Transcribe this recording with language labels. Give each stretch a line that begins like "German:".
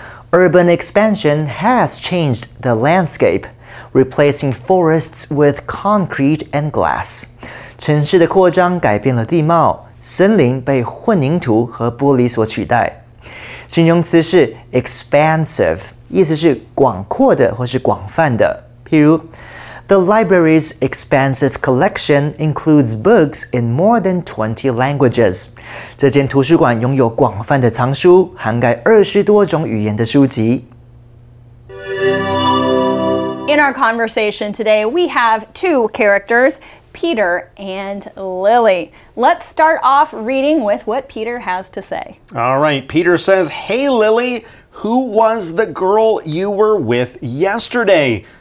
English: Urban expansion has changed the landscape, replacing forests with concrete and glass.
Chinese: 城市的扩张改变了地貌，森林被混凝土和玻璃所取代。形容词是 expansive, 意思是广阔的或是广泛的。譬如
English: The library's expansive collection includes books in more than 20 languages.
Chinese: 这间图书馆拥有广泛的藏书，涵盖20多种语言的书籍。
English: In our conversation today, we have two characters, Peter and Lily. Let's start off reading with what Peter has to say. All right, Peter says, Hey Lily, who was the girl you were with yesterday?